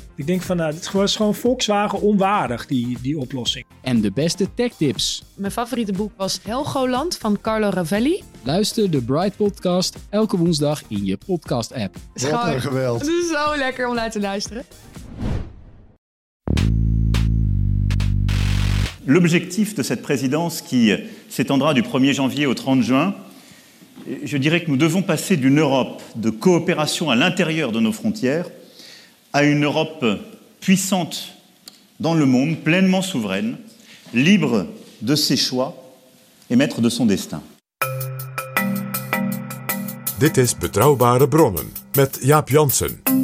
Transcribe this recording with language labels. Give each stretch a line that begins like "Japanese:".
Dutch: Ik denk van, het was gewoon Volkswagen onwaardig, die oplossing. En de beste tech tips. Mijn favoriete boek was Helgoland van Carlo Rovelli. Luister de Bright Podcast elke woensdag in je podcast app. Wat een geweld. Het is zo lekker om naar te luisteren.
French: L'objectif de cette présidence qui s'étendra du 1er janvier au 30 juin, je dirais que nous devons passer d'une Europe de coopération à l'intérieur de nos frontières à une Europe puissante dans le monde, pleinement souveraine, libre de ses choix et maître de son destin.
Dutch: Dit is Betrouwbare Bronnen met Jaap Janssen.